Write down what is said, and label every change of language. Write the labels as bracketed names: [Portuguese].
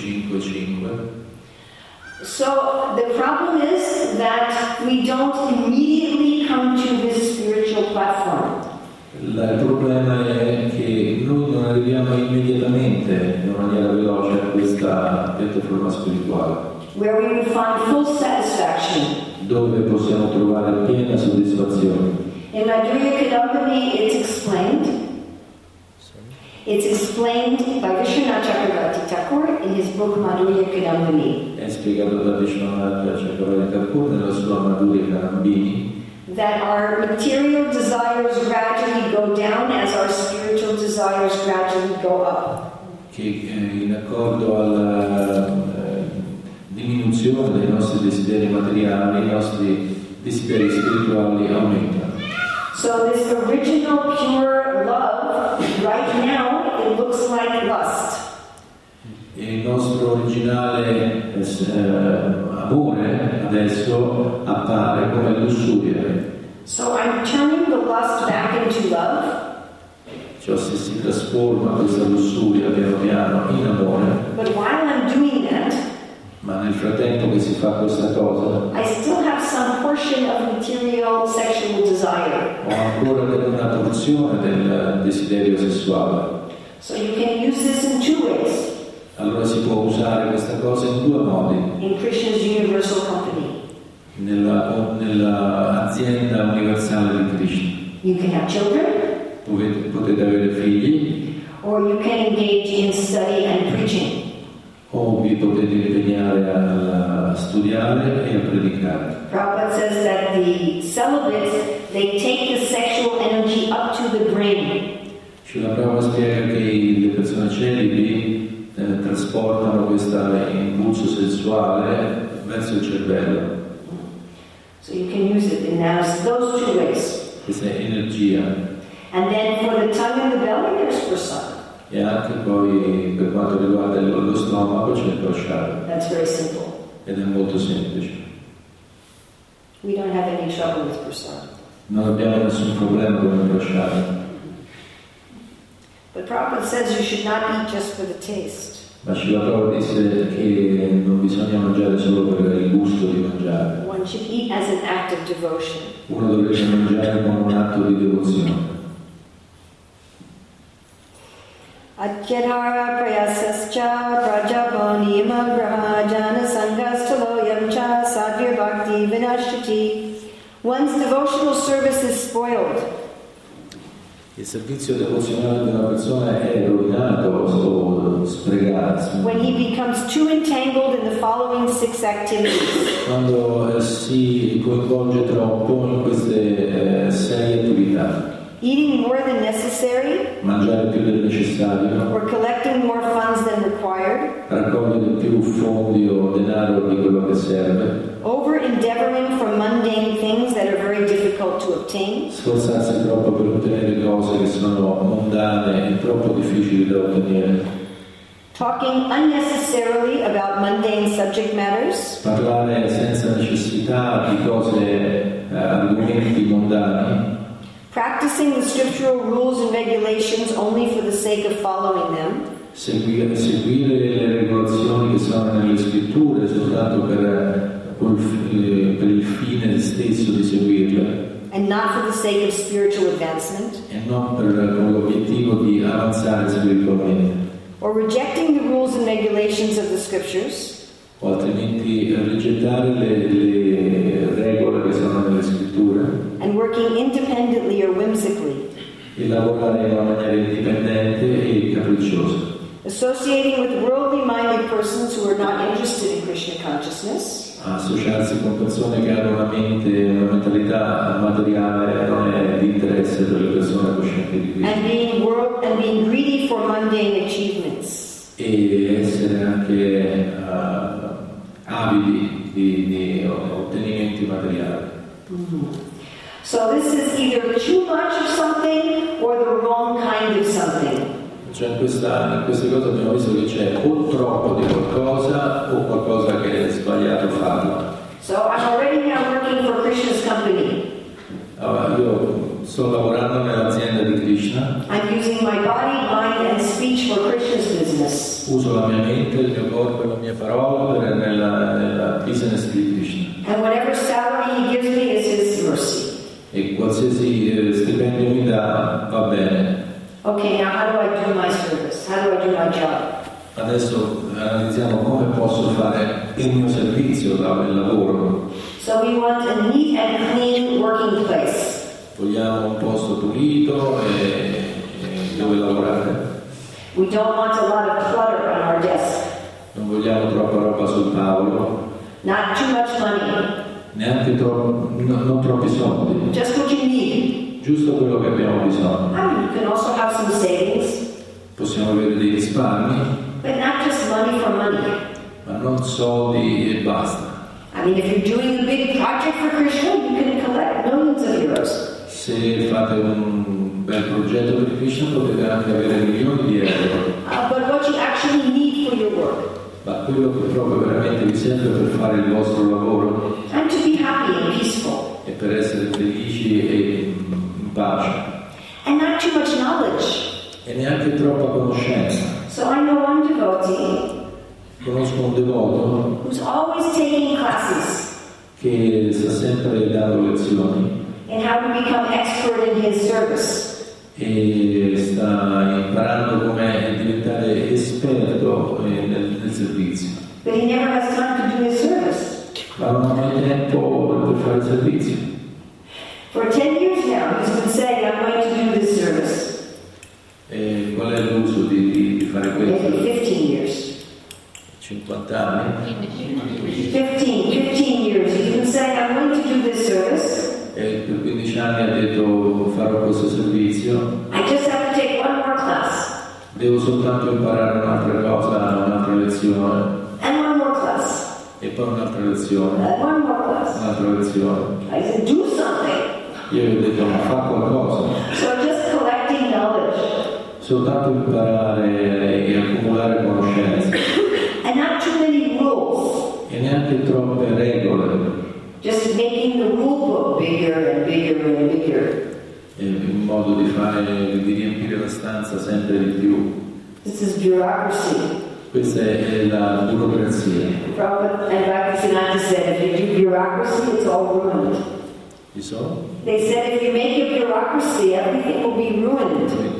[English] So the problem is that we don't immediately come to this spiritual platform. [Italian] Il problema è che noi non arriviamo immediatamente in maniera veloce a questa piattaforma spirituale. [English] Where we will find full satisfaction. [Italian] Dove possiamo trovare piena soddisfazione. [English] In Madhurya Kadampini it's explained. It's explained by Vishnu Chakravarti Thakur in his book Madhurya Kadambini. [Italian] È spiegato da Vishnu Chakravarti Thakur nella sua Madhurya Kadambini. [English] That our material desires gradually go down as our spiritual desires gradually go up. [Italian] Che in accordo alla diminuzione dei nostri desideri materiali, i nostri desideri spirituali aumentano. [English] So this original pure love, right now, it looks like lust. [Italian] Il nostro originale amore adesso appare come lussuria. [English] So I'm turning the lust back into love. [Italian] Cioè se si trasforma questa lussuria piano piano in amore. [English] But while I'm doing that, [Italian] ma nel frattempo che si fa questa cosa, [English] I still have some portion of material sexual desire. [Italian] Ho ancora una porzione del desiderio sessuale. [English] So you can use this in two ways. [Italian] Allora si può usare questa cosa in due modi. [English] In Krishna's universal company. [Italian] Nella azienda universale di Krishna. [English] You can have children. [Italian] Potete avere figli. [English] Or you can engage in study and preaching. [Italian] O vi potete impegnare a studiare e a predicare. [English] Prabhupada says that the celibates, they take the sexual energy up to the brain. [Italian] Srila Prabhupada spiega che le persone celibi trasportano questo impulso sessuale verso il cervello. [English] So you can use it in those two ways. [Italian] Questa è energia. [English] And then for the tongue and the belly, there's prasada. [Italian] E anche poi per quanto riguarda lo stomaco c'è il prasciutto. [English] That's very simple. [Italian] Ed è molto semplice. [English] We don't have any trouble with prasad. [Italian] Non abbiamo nessun problema con il prasciutto. [English] But Prabhupada says you should not eat just for the taste. [Italian] Ma Srila Prabhupada dice che non bisogna mangiare solo per il gusto di mangiare. [English] One should eat as an act of devotion. [Italian] Uno dovrebbe mangiare come un atto di devozione. [Sanskrit] Adhyanara prayasascha prajaponi imagraha jana sangastaloyam cha sadhya bhakti vinashati. [English] One's devotional service is spoiled. [Italian] Il servizio devozionale di una persona è rovinato o sprecato. [English] When he becomes too entangled in the following six activities. [Italian] Quando si coinvolge troppo in queste sei attività. [English] Eating more than necessary. [Italian] Mangiare più del necessario. [English] Or collecting more funds than required. [Italian] Raccogliere più fondi o denaro di quello che serve. [English] Over endeavoring for mundane things that are very difficult to obtain. [Italian] Sforzarsi troppo per ottenere cose che sono mondane e troppo difficili da ottenere. [English] Talking unnecessarily about mundane subject matters. [Italian] Parlare senza necessità di cose, argomenti mondani. [English] Practicing the scriptural rules and regulations only for the sake of following them. [Italian] Seguire le regolazioni che sono nelle scritture soltanto per il fine stesso di seguirle. [English] And not for the sake of spiritual advancement. [Italian] E non per l'obiettivo di avanzare spiritualmente. [English] Or rejecting the rules and regulations of the scriptures. [Italian] O altrimenti rigettare le regole che sono nelle scritture. [English] And working independently or whimsically. [Italian] E lavorare in maniera indipendente e capricciosa. [English] Associating with worldly-minded persons who are not interested in Krishna consciousness. [Italian] Associarsi con persone che hanno una mente, una mentalità materiale non è di interesse per le persone coscienti di Krishna. [English] And being greedy for mundane achievements. [Italian] E essere anche avidi di ottenimenti materiali. Mm-hmm. [English] So this is either too much of something or the wrong kind of something. [Italian] Cioè in queste cose abbiamo visto che c'è o troppo di qualcosa o qualcosa che è sbagliato farlo. [English] So I'm already now working for Krishna's company. [Italian] Io sto lavorando nell'azienda di Krishna. [English] I'm using my body, mind and speech for Krishna's business. [Italian] Uso la mia mente, il mio corpo e la mia parola per nella business di Krishna. [English] And whatever salary he gives me is his mercy. [Italian] E qualsiasi stipendio mi dà va bene. [English] Okay, now how do I do my service? How do I do my job? [Italian] Adesso analizziamo come posso fare il mio servizio, il lavoro. [English] So we want a neat and clean working place. [Italian] Vogliamo un posto pulito e dove lavorare. [English] We don't want a lot of clutter on our desk. [Italian] Non vogliamo troppa roba sul tavolo. [English] Not too much money. [Italian] Neanche non troppi soldi. [English] Just what you need. [Italian] Giusto quello che abbiamo bisogno. [English] You can also have some savings. [Italian] Possiamo avere dei risparmi. [English] But not just money for money. [Italian] Ma non soldi e basta. [English] I mean, if you're doing a big project for Krishna, you can collect millions of euros. [Italian] Se fate un bel progetto per Krishna, potete anche avere milioni di euro. [English] But what you actually need for your work. [Italian] Ma quello che proprio veramente vi serve per fare il vostro lavoro. [English] And to be happy and peaceful. [Italian] E per essere felici e in pace. [English] And not too much knowledge. [Italian] E neanche troppa conoscenza. [English] So I know one devotee. [Italian] Conosco un devoto. [English] Who's always taking classes. [Italian] Che sta sempre dando lezioni. [English] And how to become expert in his service. [Italian] E sta imparando come diventare esperto nel servizio. [English] But he never has time to do his service. [Italian] Ma non ha mai tempo per fare il servizio. [English] For 10 years now he's been saying I'm going to do this service. [Italian] E qual è l'uso di fare questo? [English] 15 years. [Italian] 50 anni. [English] 15 years. You can say I'm going to do this service. [Italian] E per 15 anni ha detto farò questo servizio. [English] I just have to take one more class. [Italian] Devo soltanto imparare un'altra cosa, un'altra lezione. [English] And one more class. [Italian] E poi un'altra lezione. [English] And one more class. [Italian] Un'altra lezione. [English] I said do something. [Italian] Io gli ho detto ma fa qualcosa. [English] So just collecting knowledge. [Italian] Soltanto imparare e accumulare conoscenze. [English] And not too many rules. [Italian] E neanche troppe regole. [English] Just making the rule book bigger and bigger and bigger. [Italian] E un modo di riempire la stanza sempre di più. [English] This is bureaucracy. [Italian] Questa è la burocrazia. [English] And Bhaktisiddhanta said if you do bureaucracy, it's all ruined. You saw? They said if you make a bureaucracy, everything will be ruined.